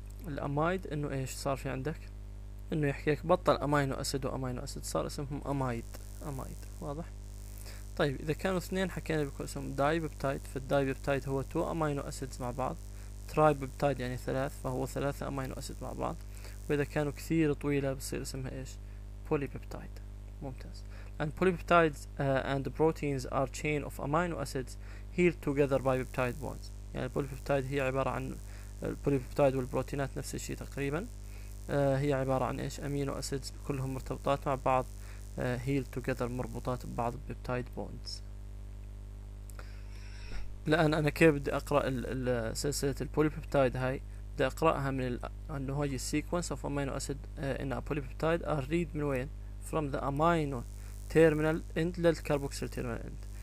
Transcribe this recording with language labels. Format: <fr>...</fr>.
<ar>الأمايد إنه إيش صار في عندك؟ انه يحكي لك بطل امينو اسيد وامينو اسيد، صار اسمهم امايد، امايد، واضح. طيب اذا كانوا اثنين حكينا بيكون اسمهم داي بيبتايد، فالداي بيبتايد هو تو امينو اسيد مع بعض، تراي بيبتايد يعني ثلاث، فهو ثلاثة امينو اسيد مع بعض. واذا كانوا كثير طويله بصير اسمها ايش؟ بولي بيبتايد، ممتاز.</ar> <en>and polypeptides and proteins are chain of amino acids held together by peptide bonds.</en> <ar>يعني البولي بيبتايد هي عباره عن البولي بيبتايد والبروتينات نفس الشيء تقريبا، هي عبارة عن إيش؟ أمينو أسيدز كلهم مرتبطات مع بعض، هيل توجذر، مربوطات ببعض ببتايد بوندز. الآن أنا كيف بدي أقرأ سلسلة البولي ببتايد هاي؟ بدي أقرأها من أنه هاي السيكونس أوف أمينو أسيد إن البولي ببتايد أر ريد من وين؟ فروم ذا أمينو تيرمينال إند للكربوكسيل تيرمينال إند.</ar>